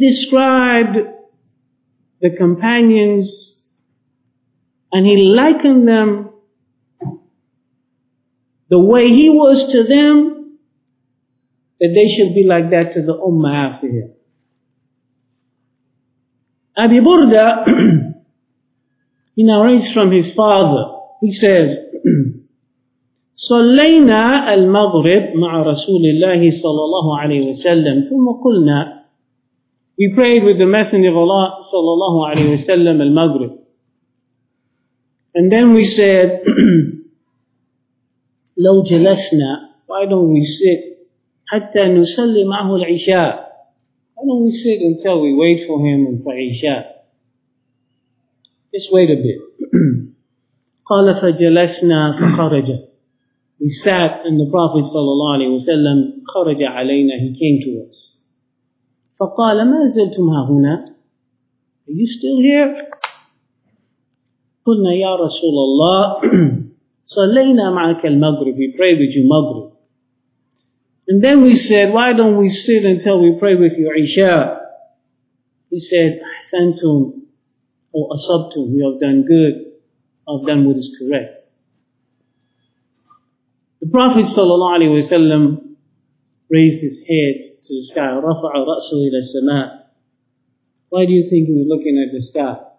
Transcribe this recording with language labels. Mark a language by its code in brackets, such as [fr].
[en] described the companions and he likened them the way he was to them, that they should be like that to the ummah after him. Abi Burda, he narrates from his father, he says, [ar] صلينا المغرب مع رسول الله صلى الله عليه وسلم ثم قلنا. [en] We prayed with the Messenger of Allah صلى الله عليه وسلم المغرب. And then we said, [ar] لو جلسنا, [en] why don't we sit [ar] حتى نصلي معه العشاء. [en] Why don't we sit until we wait for him and for عشاء. Just wait a bit. [ar] قال فجلسنا فخرج. [en] We sat and the Prophet sallallahu alayhi wa sallam [ar] kharaja alayna, [en] he came to us. [ar] فَقَالَ مَا زَلْتُمْ هَهُنَا. [en] Are you still here? [ar] قُلْنَا يَا رَسُولَ اللَّهِ صَلَّيْنَا مَعَكَ الْمَغْرِبِ. [en] We pray with you Maghrib. And then we said, why don't we sit until we pray with you Isha? He said, [ar] أَحْسَنْتُمْ أَوْ أَصَبْتُمْ. [en] We have done good, I have done what is correct. The Prophet sallallahu alaihi wasallam raised his head to the sky. [ar] رَفَعَ رَأْسُهُ إِلَى السَّمَاءِ. [en] Why do you think he was looking at the sky?